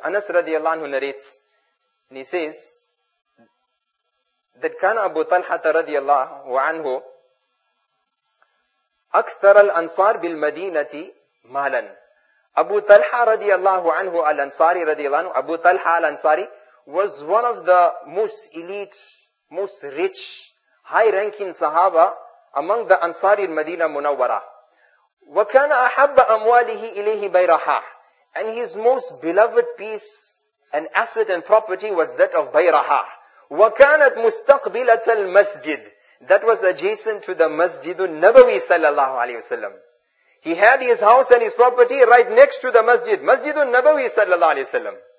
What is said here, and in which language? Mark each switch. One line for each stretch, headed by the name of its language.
English: Anas radiallahu anhu narrates, and he says, that kana Abu Talhata radiallahu anhu,
Arabic: أكثر الأنصار بالمدينة مالا.
English: Abu Talha radiallahu anhu al Ansari radiallahu anhu. Abu Talha al Ansari was one of the most elite, most rich, high ranking Sahaba among the Ansari in Medina Munawwara.
Arabic: وكان أحب أمواله إليه بيرحة.
English: And his most beloved piece and asset and property was that of بيرحة.
Arabic: وكانت مستقبلة المسجد.
English: That was adjacent to the Masjidun Nabawi sallallahu alayhi wasallam. He had his house and his property right next to the Masjid. Masjidun Nabawi sallallahu alayhi wasallam.